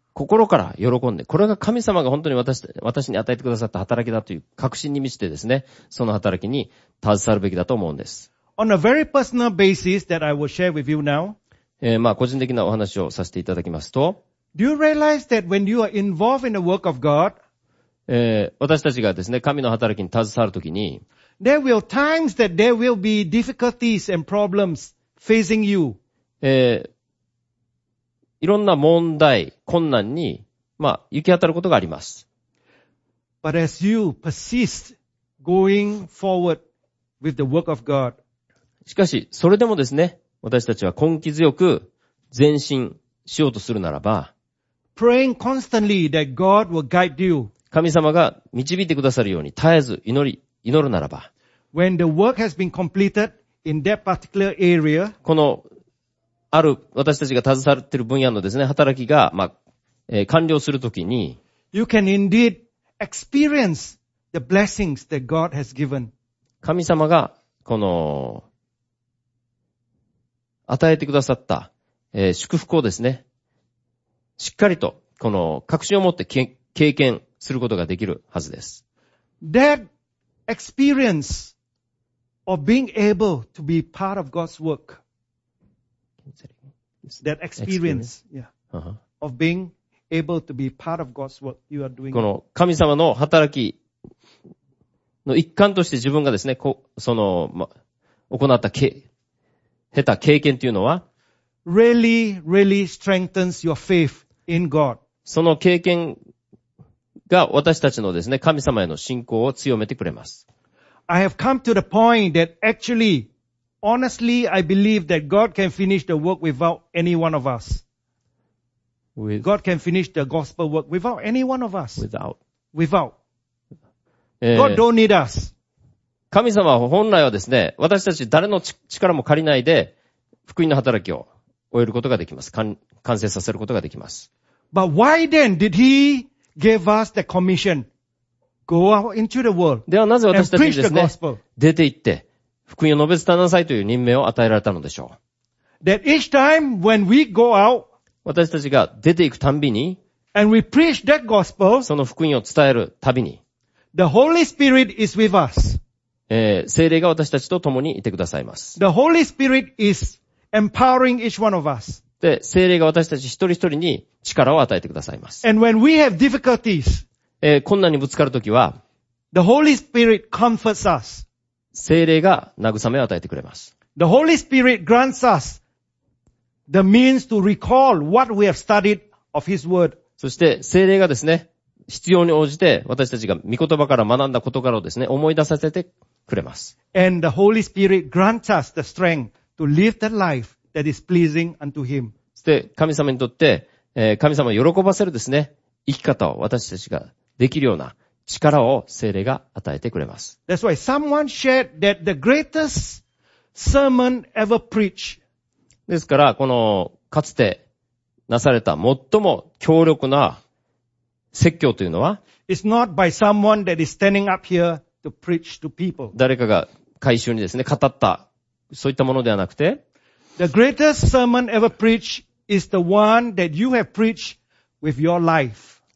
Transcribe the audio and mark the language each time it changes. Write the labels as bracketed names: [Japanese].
[Japanese] 心から喜んで、これが神様が本当に私に与えてくださった働きだという確信に満ちてですね、その働きに携わるべきだと思うんです。 [English] On a very personal basis that I will share with you now. [Japanese] まあ個人的なお話をさせていただきますと、 [English] Do you realize that when you are involved in the work of God, [Japanese] 私たちがですね、神の働きに携わるときに、 [English] There will times that there will be difficulties and problems facing you. [Japanese] いろんな問題、困難に、まあ、行き当たることがあります。 [English] But as you persist going forward with the work of God. [Japanese] しかし、それでもですね、私たちは根気強く前進しようとするならば、 [English] Praying constantly that God will guide you. [Japanese] 神様が導いてくださるように絶えず祈り、祈るならば、 [English] When the work has been completed in that particular area, [Japanese] このある私たちが携わっている分野のですね、働きが、まあ、完了するときに、 [English] You can indeed experience the blessings that God has given. [Japanese] 神様がこの与えてくださった、祝福をですね、しっかりとこの確信を持って経験することができるはずです。 [English] That experience of being able to be part of God's work. That experience, yeah, of being able to be part of God's work you are doing. [Japanese] この神様の働きの一環として自分がですね、その、ま、行った経た経験というのは、 [English] really, really strengthens your faith in God. [Japanese] その経験が私たちのですね、神様への信仰を強めてくれます。 [English] I have come to the point that actually, honestly, I believe that God can finish the work without any one of us. God can finish the gospel work without any one of us. Without. God don't need us. [Japanese] 神様は本来はですね、私たち誰の力も借りないで、福音の働きを終えることができます。完成させることができます。 [English] But why then did he give us the commission? Go out into the world. [Japanese] ではなぜ私たちにですね、出て行って福音を述べ伝えなさいという任命を与えられたのでしょう。 [English] That each time when we go out, [Japanese] 私たちが出て行くたんびに、 [English] and we preach that gospel, [Japanese] その福音を伝えるたびに、 [English] The Holy Spirit is with us. [Japanese] 聖霊が私たちと共にいてくださいます。 [English] The Holy Spirit is empowering each one of us. [Japanese] で、聖霊が私たち一人一人に力を与えてくださいます。 [English] And when we have difficulties, [Japanese] 困難にぶつかるときは、 [English] The Holy Spirit comforts us. [Japanese] 聖霊が慰めを与えてくれます。 [English] The Holy Spirit grants us the means to recall what we have studied of His Word. [Japanese] そして聖霊がですね、必要に応じて私たちが御言葉から学んだことからをですね、思い出させてくれます。 [English] And the Holy Spirit grants us the strength to live the life that is pleasing unto Him. [Japanese] そして神様にとって、神様を喜ばせるですね、生き方を私たちができるような力を聖霊が与えてくれます。 [English] That's why someone shared that the greatest sermon ever preached. [Japanese] ですから、このかつてなされた最も強力な説教というのは、 [English] It's not by someone that is standing up here to preach to people. [Japanese] 誰かが会衆にですね、語った、そういったものではなくて、 [English] The greatest sermon ever preached is the one that you have preached with your life.